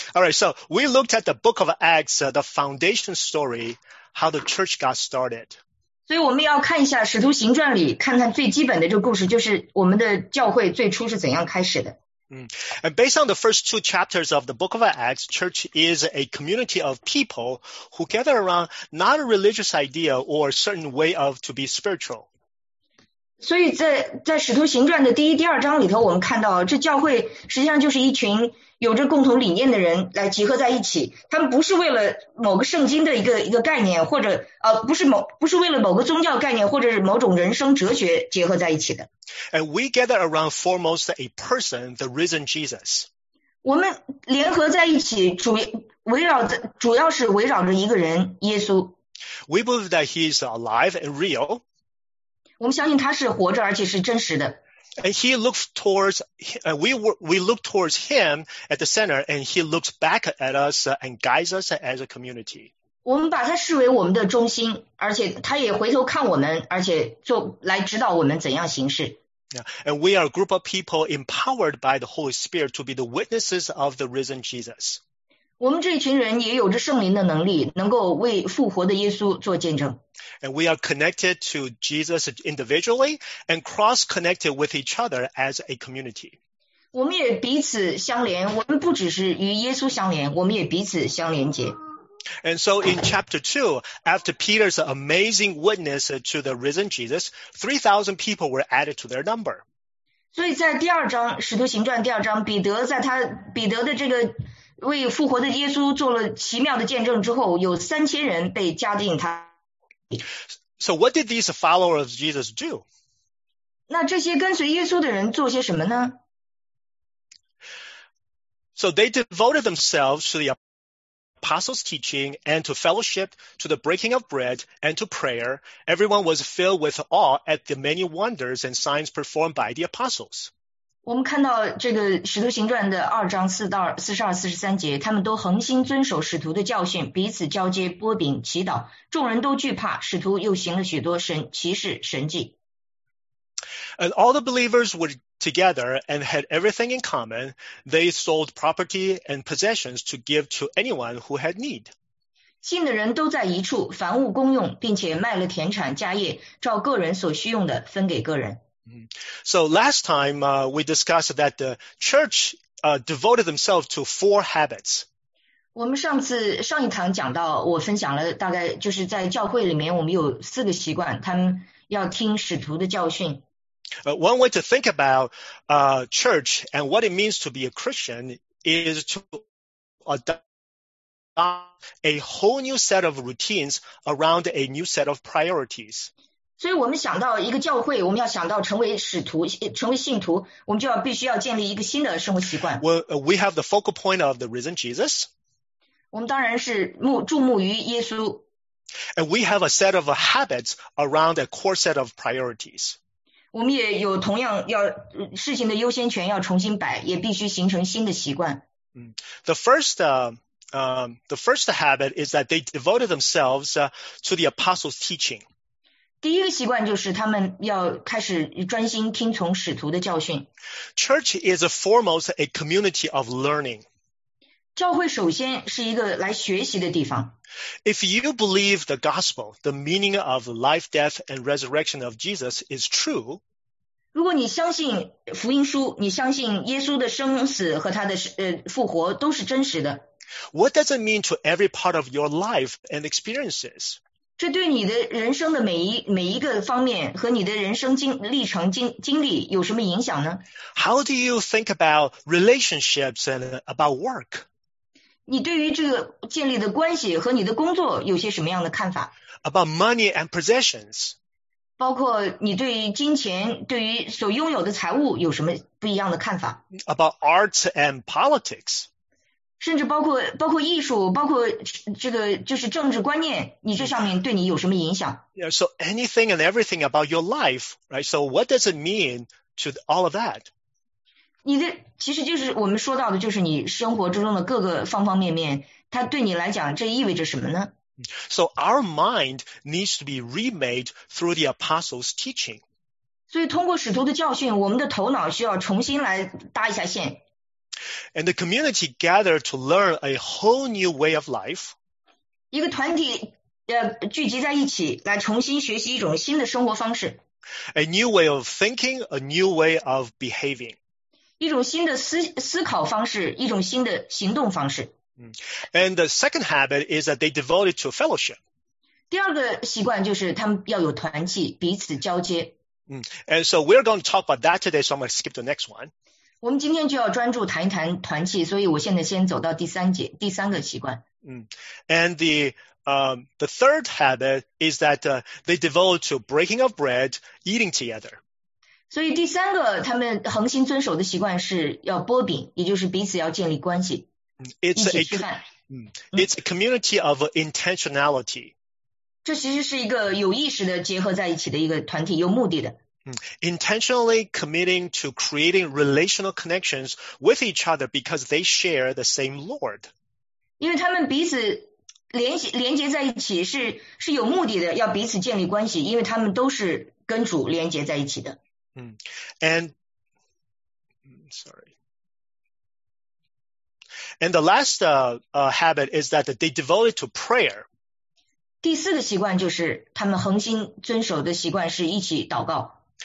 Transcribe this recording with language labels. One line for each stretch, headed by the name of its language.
English: All right, so we looked at the book of Acts, the foundation story, how the church got started.
Chinese: 所以我们要看一下《使徒行传》里，看看最基本的这个故事，就是我们的教会最初是怎样开始的。
English: And based on the first two chapters of the book of Acts, church is a community of people who gather around not a religious idea or a certain way of to be spiritual.
Chinese: 所以在《使徒行传》的第一、第二章里头，我们看到这教会实际上就是一群有着共同理念的人来集合在一起，他们不是为了某个圣经的一个概念，或者不是为了某个宗教概念，或者是某种人生哲学结合在一起的。
English: And we gather around foremost a person, the risen Jesus.
Chinese: 我们联合在一起，主要是围绕着一个人，耶稣。
English: We believe that he is alive and real.
Chinese: 我们相信他是活着，而且是真实的。
English: And he looks towards, we look towards him at the center, and he looks back at us and guides us as a community.
Chinese: 我们把他视为我们的中心，而且他也回头看我们，而且就来指导我们怎样行事。
English: Yeah. And we are a group of people empowered by the Holy Spirit to be the witnesses of the risen Jesus.
Chinese: 我们这群人也有着圣灵的能力，能够为复活的耶稣做见证。
English: And we are connected to Jesus individually and cross-connected with each other as a community.
Chinese: 我们也彼此相连，我们不只是与耶稣相连，我们也彼此相连接。
English: And so in chapter 2, after Peter's amazing witness to the risen Jesus, 3,000 people were added to their number.
Chinese: 所以在第二章《使徒行传》第二章，彼得在他彼得的这个为复活的耶稣做了奇妙的见证之后，有三千人被加进他。
English: So what did these followers of Jesus do?
Chinese: 那这些跟随耶稣的人做些什么呢？
English: So they devoted themselves to the apostles' teaching and to fellowship, to the breaking of bread and to prayer. Everyone was filled with awe at the many wonders and signs performed by the apostles.
Chinese: 我们看到这个《使徒行传》的二章四到四十二、四十三节，他们都恒心遵守使徒的教训，彼此交接、拨饼、祈祷。众人都惧怕，使徒又行了许多神奇事、神迹。
English: And all the believers were together and had everything in common. They sold property and possessions to give to anyone who had need.
Chinese: 信的人都在一处，凡物公用，并且卖了田产、家业，照个人所需用的分给个人。
English: So last time we discussed that the church devoted themselves to four habits.
Chinese: 我们上次上一堂讲到，我分享了大概就是在教会里面我们有四个习惯，他们要听使徒的教训。
English: One way to think about church and what it means to be a Christian is to adopt a whole new set of routines around a new set of priorities.
Chinese: 所以我们想到一个教会，我们要想到成为使徒，成为信徒，我们就要必须要建立一个新的生活习惯。
English: We have the focal point of the risen Jesus.
Chinese: 我们当然是注目于耶稣。
English: And we have a set of habits around a core set of priorities.
Chinese: 我们也有同样要事情的优先权要重新摆，也必须形成新的习惯。
English: The first habit is that they devoted themselves to the apostles' teaching.
Chinese: 第一个习惯就是他们要开始专心听从使徒的教训。
English: Church is foremost a community of learning.
Chinese: 教会首先是一个来学习的地方。
English: If you believe the gospel, the meaning of life, death, and resurrection of Jesus is true,
Chinese: 如果你相信福音书，你相信耶稣的生死和他的复活都是真实的。
English: What does it mean to every part of your life and experiences?
Chinese: 这对你的人生的每一个方面和你的人生历程经历有什么影响呢？
English: How do you think about relationships and about work?
Chinese: 你对于这个建立的关系和你的工作有些什么样的看法？
English: About money and possessions.
Chinese: 包括你对于金钱，对于所拥有的财物有什么不一样的看法？
English: About arts and politics.
Chinese: 甚至包括艺术，包括这个就是政治观念，你这上面对你有什么影响？
English: Yeah, so anything and everything about your life, right? So what does it mean to all of that?
Chinese: 你的其实就是我们说到的，就是你生活之中的各个方方面面，它对你来讲，这意味着什么呢
English: ？So our mind needs to be remade through the apostles' teaching.
Chinese: 所以通过使徒的教训，我们的头脑需要重新来搭一下线。
English: And the community gathered to learn a whole new way of life.
Chinese: 一个团体聚集在一起，来重新学习一种新的生活方式。
English: A new way of thinking, a new way of behaving.
Chinese: 一种新的思考方式，一种新的行动方式。
English: And the second habit is that they devoted to fellowship.
Chinese: 第二个习惯就是他们要有团契，彼此交接。
English: And so we're going to talk about that today, so I'm going to skip the next one.
Chinese: 我们今天就要专注谈一谈团契，所以我现在先走到第三个习惯。
English: And the third habit is that they devoted to breaking of bread, eating together.
Chinese: 所以第三个他们恒心遵守的习惯是要拨饼，也就是彼此要建立关系，一起吃饭。
English: It's a community of intentionality.
Chinese: 这其实是一个有意识的结合在一起的一个团体，有目的的。
English: Intentionally committing to creating relational connections with each other because they share the same Lord.
Chinese: 因为他们彼此连接在一起是有目的的，要彼此建立关系，因为他们都是跟主连接在一起的。
English: And the last habit is that they devoted to prayer.
Chinese: 第四个习惯就是他们恒心遵守的习惯是一起祷告。